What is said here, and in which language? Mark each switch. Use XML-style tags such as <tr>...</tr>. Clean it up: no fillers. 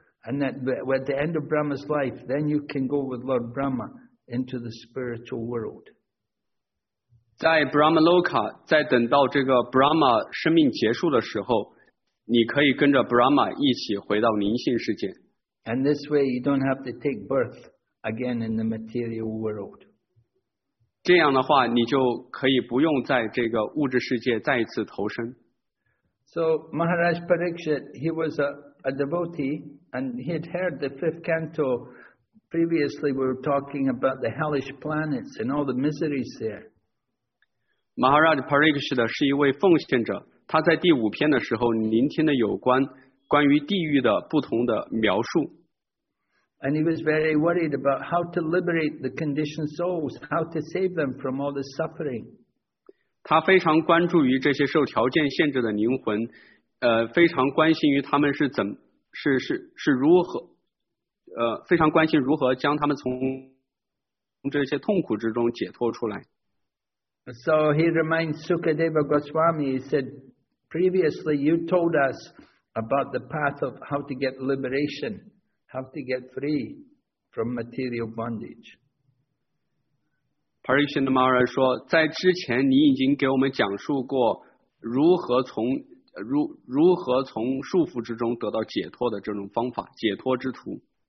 <en>And that, at the end of Brahma's life, then you can go with Lord Brahma into the spiritual world.</en> <zh>在 Brahmaloka, 在等到这个 Brahma 生命结束的时候，你可以跟着 Brahma 一起回到灵性世界。</zh> <en>And this way you don't have to take birth again in the material world.</en> <zh>这样的话，你就可以不用在这个物质世界再一次投生。</zh> <en>So Maharaj Parikshit, he was a devotee, and he had heard the fifth canto. Previously, we were talking about the hellish planets and all the miseries there.</en> <zh>Maharaj Parikshit 是一位奉献者，他在第五篇的时候聆听了有关于地狱的不同的描述。</zh> <en>And he was very worried about how to liberate the conditioned souls, how to save them from all the suffering.</en> <zh>他非常关注于这些受条件限制的灵魂，非常关心于他们是怎是如何。非常关心如何将他们从这些痛苦之中解脱出来。</zh> <en>So he reminds Sukadeva Goswami, he said, previously you told us about the path of how to get liberation, how to get free from material bondage.</en> <zh>Parikshit Maharaj 说，在之前你已经给我们讲述过如何从束缚之中得到解脱的这种方法，解脱之途。</zh>